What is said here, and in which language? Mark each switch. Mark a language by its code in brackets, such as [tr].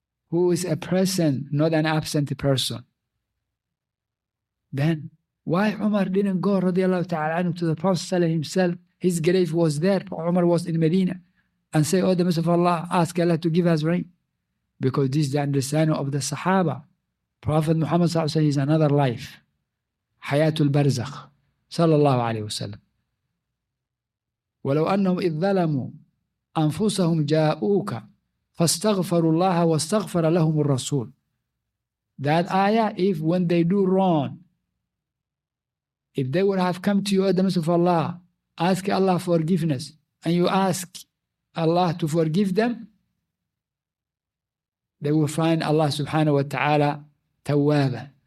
[en] Who is a present, not an absent person. Then, why Umar didn't go radiallahu ta'ala anhu to the Prophet himself? His grave was there. Umar was in Medina. And say, oh, the Messenger of Allah, ask Allah to give us rain. Because this is the understanding of the Sahaba. Prophet Muhammad sallallahu alayhi wa sallam is another life. [ar] Hayatul Barzakh. صلى الله عليه وسلم. ولو أنهم إذ ظلموا أنفسهم جاءوك فاستغفروا الله واستغفر لهم الرسول. [en] That ayah, if when they do wrong, if they would have come to you at the mercy of Allah, ask Allah forgiveness, and you ask Allah to forgive them, they will find Allah subhanahu wa ta'ala تواب.